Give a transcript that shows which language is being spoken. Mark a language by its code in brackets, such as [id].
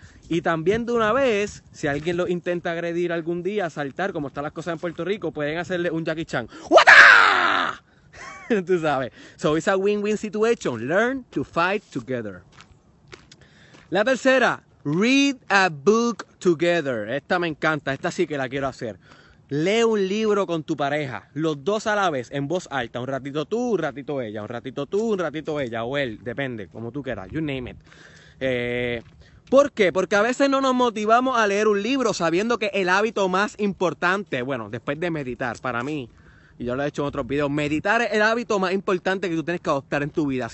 [es] Y también de una vez, si alguien lo intenta agredir algún día, asaltar, como están las cosas en Puerto Rico, pueden hacerle un Jackie Chan. [en] ¡What! [es] Tú sabes. [en] So it's a win-win situation. Learn to fight together. [es] La tercera, [en] read a book together. [es] Esta me encanta, esta sí que la quiero hacer. Lee un libro con tu pareja, los dos a la vez, en voz alta. Un ratito tú, un ratito ella. Un ratito tú, un ratito ella. O él, depende, como tú quieras. [en] You name it. [es] ¿Por qué? Porque a veces no nos motivamos a leer un libro sabiendo que el hábito más importante, bueno, después de meditar, para mí, y yo lo he hecho en otros videos, meditar es el hábito más importante que tú tienes que adoptar en tu vida.